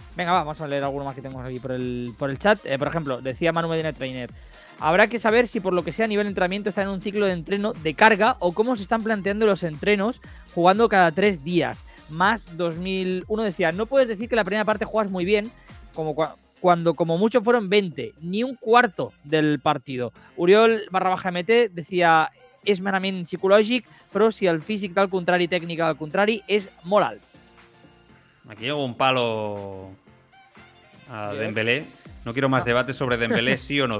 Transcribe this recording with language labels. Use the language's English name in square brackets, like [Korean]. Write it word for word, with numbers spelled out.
[Spanish] Venga, vamos a leer alguno más que tenemos aquí por el, por el chat. Eh, por ejemplo, decía Manu Medina Trainer: habrá que saber si por lo que sea a nivel entrenamiento está en un ciclo de entreno de carga o cómo se están planteando los entrenos jugando cada tres días. Más dos mil uno decía: no puedes decir que la primera parte juegas muy bien como cu- cuando como mucho fueron veinte, ni un cuarto del partido. [Catalan] Uriol barra baja M T decía: és merament psicològic, però si el físic del contrari, tècnica del contrari, és molt alt. [Spanish] Aquí llegó un palo a Dembélé. No quiero más debates sobre Dembélé sí o no.